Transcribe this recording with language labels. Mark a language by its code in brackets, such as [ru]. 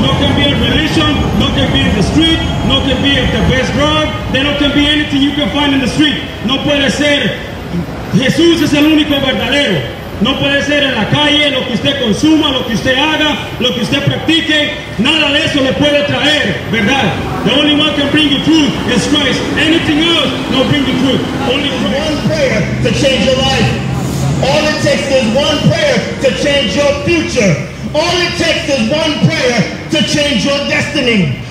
[en] No can be a religion, no can be in the street, no can be the best drug. There no can be anything you can find in the street. [es] No puede ser. Jesús es el único verdadero. No puede ser en la calle, lo que usted consuma, lo que usted haga, lo que usted practique. Nada de eso le puede traer, ¿verdad? [en] The only one can bring you truth is Christ. Anything else, no bring you truth. Only Christ. One prayer to change your life. All it takes is one prayer to change your future. All it takes is one prayer to change your destiny.